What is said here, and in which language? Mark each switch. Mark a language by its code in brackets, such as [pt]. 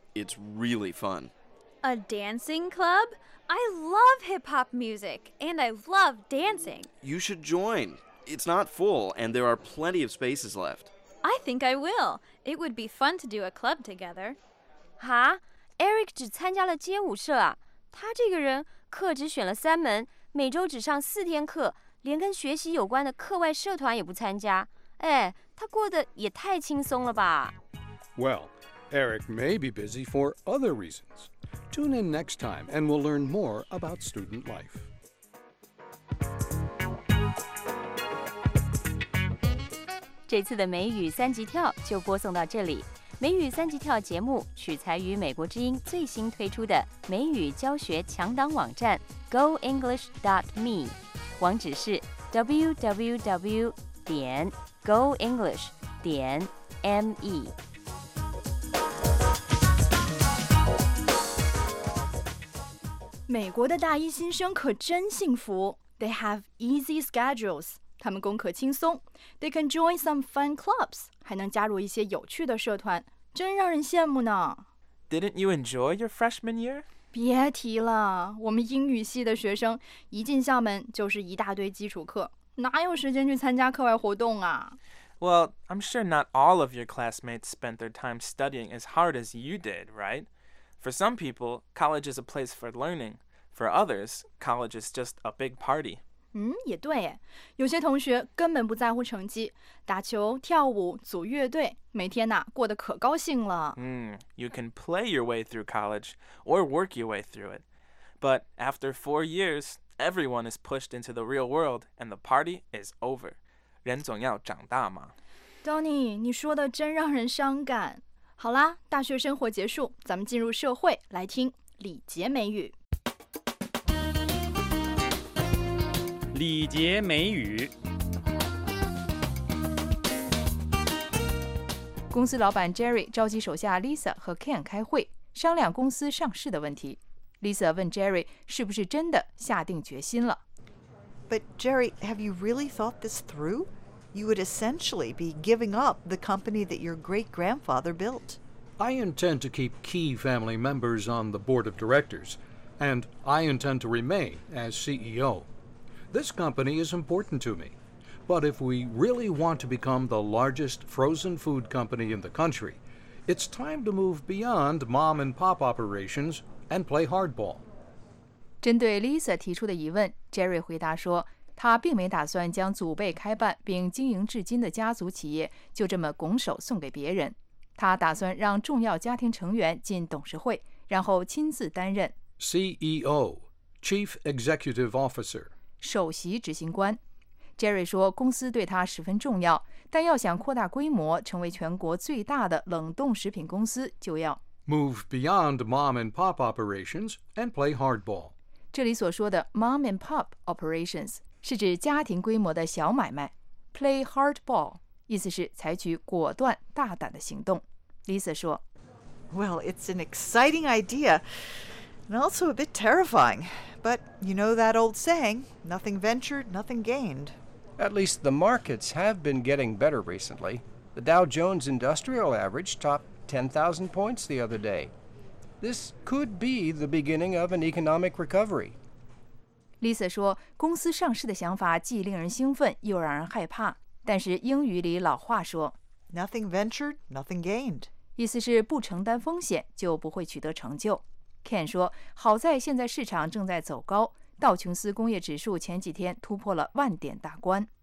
[en] It's really fun. A dancing club? I love hip-hop music, and I love dancing. You should join. It's not full, and there are plenty of spaces left. I think I will. It would be fun to do a club together. [zh] 哈?Eric 只参加了街舞社啊。他这个人课只选了三门，每周只上四天课，连跟学习有关的课外社团也不参加。哎，他过得也太轻松了吧。 [en] Well, Eric may be busy for other reasons. Tune in next time and we'll learn more about student life. This time, the [zh] 美语三级跳就播送到这里。美语三级跳节目取材于美国之音最新推出的美语教学强档网站 goenglish.me， 网址是 www.goenglish.me。美国的大一新生可真幸福。 [en] They have easy schedules. [zh] 他们功课轻松。 [en] They can join some fun clubs. [zh] 还能加入一些有趣的社团。真让人羡慕呢。 [en] Didn't you enjoy your freshman year? [zh] 别提了，我们英语系的学生一进校门就是一大堆基础课，哪有时间去参加课外活动啊。 [en] Well, I'm sure not all of your classmates spent their time studying as hard as you did, right? For some people, college is a place for learning. For others, college is just a big party. [zh] 也对耶。有些同学根本不在乎成绩，打球、跳舞、组乐队，每天呐，过得可高兴了。 [en] You can play your way through college or work your way through it. But after 4 years, everyone is pushed into the real world and the party is over. [zh] 人总要长大嘛。 Donny, 你说的真让人伤感。好啦，大学生活结束，咱们进入社会，来听礼节美语。礼节美语。公司老板 Jerry 召集手下 Lisa 和 Ken 开会，商量公司上市的问题。 Lisa 问 Jerry 是不是真的下定决心了。 [en] But Jerry, have you really thought this through? You would essentially be giving up the company that your great-grandfather built. I intend to keep key family members on the board of directors, and I intend to remain as CEO. This company is important to me, but if we really want to become the largest frozen food company in the country, it's time to move beyond mom and pop operations and play hardball. [zh] 针对 Lisa 提出的疑问， Jerry 回答说，他并没打算将祖辈开办并经营至今的家族企业就这么拱手送给别人。他打算让重要家庭成员进董事会，然后亲自担任 [en] CEO, Chief Executive Officer, [zh] 首席执行官。 Jerry 说公司对他十分重要，但要想扩大规模成为全国最大的冷冻食品公司，就要 [en] Move beyond mom and pop operations and play hardball. [zh] 这里所说的 [en] mom and pop operations [zh] 是指家庭规模的小买卖， [en] play hardball. [zh] 意思是采取果断大胆的行动。 Lisa 说 [en] Well, it's an exciting idea and also a bit terrifying. But you know that old saying, nothing ventured, nothing gained. At least the markets have been getting better recently. The Dow Jones Industrial Average topped 10,000 points the other day. This could be the beginning of an economic recovery. [zh] Lisa 说，公司上市的想法既令人兴奋又让人害怕。但是英语里老话说 [en] ，Nothing ventured, nothing gained. [zh] 意思是不承担风险就不会取得成就。Ken 说，好在现在市场正在走高，道琼斯工业指数前几天突破了万点大关